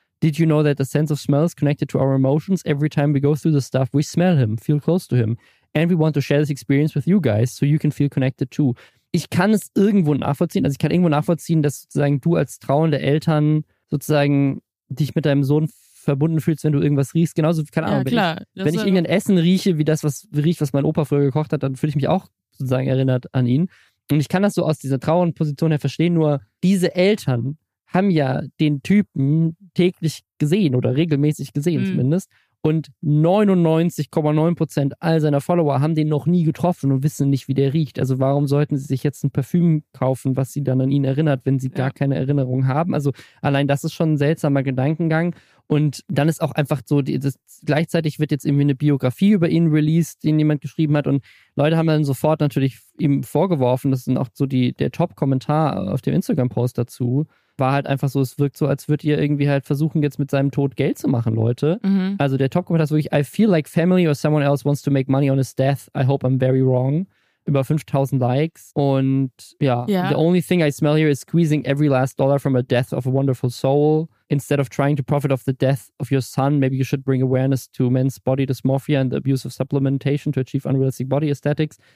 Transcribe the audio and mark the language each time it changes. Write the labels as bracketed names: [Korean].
[English] Did you know that the sense of smell is connected to our emotions? Every time we go through the stuff, we smell him, feel close to him. And we want to share this experience with you guys, so you can feel connected too. [German] Ich kann es irgendwo nachvollziehen, also ich kann irgendwo nachvollziehen, dass sozusagen du als trauernde Eltern sozusagen dich mit deinem Sohn verbunden fühlst, wenn du irgendwas riechst. Genauso, keine Ahnung, ja, klar. Wenn ich irgendein Essen rieche, wie das, was riecht, was mein Opa früher gekocht hat, dann fühle ich mich auch sozusagen erinnert an ihn. Und ich kann das so aus dieser trauernden Position her verstehen, nur diese Eltern haben ja den Typen täglich gesehen oder regelmäßig gesehen zumindest. Und 99,9% all seiner Follower haben den noch nie getroffen und wissen nicht, wie der riecht. Also warum sollten sie sich jetzt ein Parfüm kaufen, was sie dann an ihn erinnert, wenn sie gar keine Erinnerung haben? Also allein das ist schon ein seltsamer Gedankengang. Und dann ist auch einfach so, gleichzeitig wird jetzt irgendwie eine Biografie über ihn released, den jemand geschrieben hat. Und Leute haben dann sofort natürlich ihm vorgeworfen, das ist auch so der Top-Kommentar auf dem Instagram-Post dazu, war halt einfach so, es wirkt so, als würdet ihr irgendwie halt versuchen, jetzt mit seinem Tod Geld zu machen, Leute. Mhm. Also der Top-Kommentar ist wirklich, [English] I feel like family or someone else wants to make money on his death. I hope I'm very wrong. [German] Über 5000 Likes. Und ja, [English] yeah. The only thing I smell here is squeezing every last dollar from a death of a wonderful soul. Instead of trying to profit off the death of your son, maybe you should bring awareness to men's body dysmorphia and the abuse of supplementation to achieve unrealistic body aesthetics.